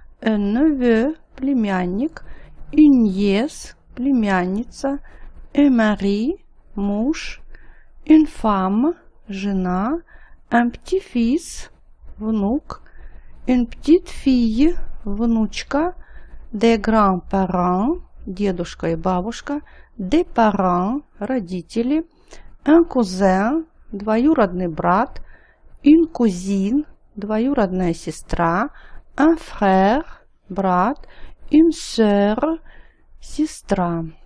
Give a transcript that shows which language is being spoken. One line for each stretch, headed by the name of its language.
French: Un neveu,
Russian: племянник.
French: Une nièce,
Russian: племянница.
French: Un mari,
Russian: муж.
French: Une femme,
Russian: жена.
French: Un petit-fils,
Russian: внук.
French: Une petite-fille,
Russian: внучка.
French: Des grands-parents,
Russian: дедушка и бабушка.
French: Des parents,
Russian: родители.
French: Un cousin,
Russian: двоюродный брат.
French: Une cousine,
Russian: двоюродная сестра.
French: Un frère,
Russian: брат.
French: Une sœur,
Russian: сестра.